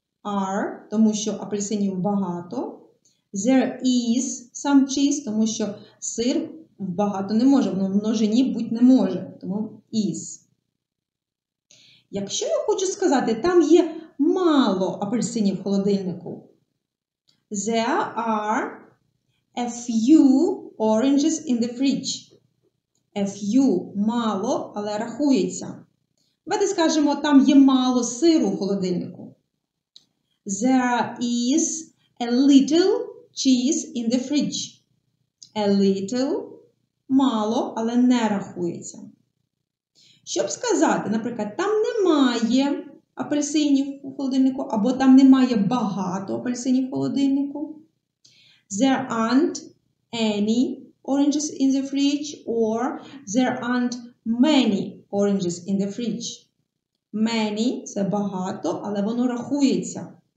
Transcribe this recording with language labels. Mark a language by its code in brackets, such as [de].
[uk] Are, тому що апельсинів багато. [en] There is some cheese, [uk] тому що сир багато не може, воно в множині бути не може, тому is. Якщо я хочу сказати, там є мало апельсинів в холодильнику. [en] There are a few oranges in the fridge. [uk] A few – мало, але рахується. Давайте скажемо, там є мало сиру в холодильнику. [en] There is a little cheese in the fridge. [uk] A little – мало, але не рахується. Щоб сказати, наприклад, там немає апельсинів у холодильнику, або там немає багато апельсинів у холодильнику. [en] There aren't any oranges in the fridge, or there aren't many oranges in the fridge. Many – [uk] це багато, але воно рахується.